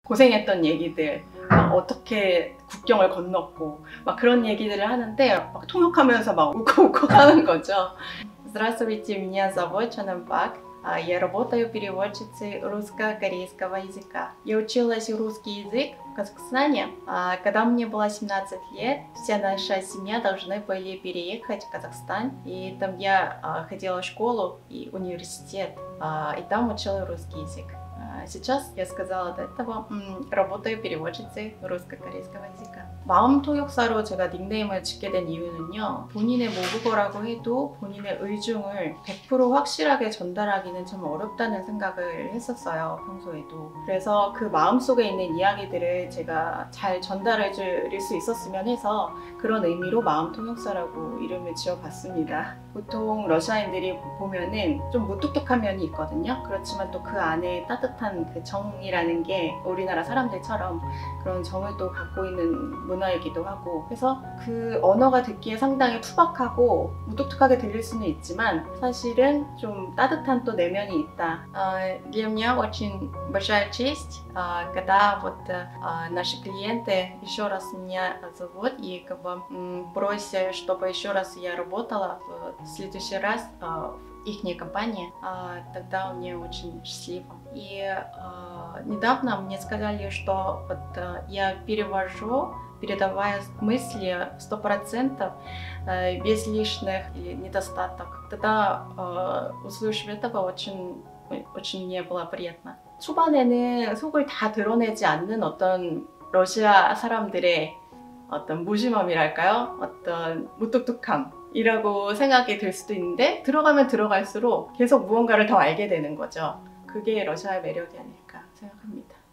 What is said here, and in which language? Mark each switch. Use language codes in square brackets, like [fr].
[ko] 고생했던 얘기들, 막 어떻게 국경을 건넜고 막 그런 얘기들을 하는데 막 통역하면서 막 웃고 가는 거죠. [ru] Здравствуйте, меня зовут Чанэн Пак. Я работаю переводчицей русско-корейского языка. Я училась русский язык в Казахстане. Когда мне было 17 лет, вся наша семья должны были переехать в Казахстан. И там я ходила в школу и университет, и там учила русский язык. Сейчас я сказала до этого, работаю переводчицей русско-корейского языка. [ko] 마음 통역사로 제가 닉네임을 짓게 된 이유는요. 본인의 모국어라고 해도 본인의 의중을 100% 확실하게 전달하기는 좀 어렵다는 생각을 했었어요. 평소에도. 그래서 그 마음속에 있는 이야기들을 제가 잘 전달해 드릴 수 있었으면 해서 그런 의미로 마음 통역사라고 이름을 지어봤습니다. 보통 러시아인들이 보면은 좀 무뚝뚝한 면이 있거든요. 그렇지만 또 그 안에 따뜻한 그 정이라는 게 우리나라 사람들처럼 그런 정을 또 갖고 있는 문화이기도 하고 그래서 그 언어가 듣기에 상당히 투박하고 무뚝뚝하게 들릴 수는 있지만 사실은 좀 따뜻한 또 내면이 있다. [ru] Для меня очень большая честь, когда вот наши клиенты еще раз меня зовут и как бы просят, чтобы еще раз я работала в следующий раз в их компании, тогда мне очень счастливо. И недавно мне сказали, что вот я перевожу, передавая мысли 100% без лишних или недостаток. Тогда услышав этого, очень мне было приятно. [ko] 초반에는 속을 다 드러내지 않는 어떤 러시아 사람들의 어떤 무심함이랄까요? 어떤 무뚝뚝함 이라고 생각이 들 수도 있는데 들어가면 들어갈수록 계속 무언가를 더 알게 되는 거죠. 그게 러시아의 매력이 아닐까 생각합니다.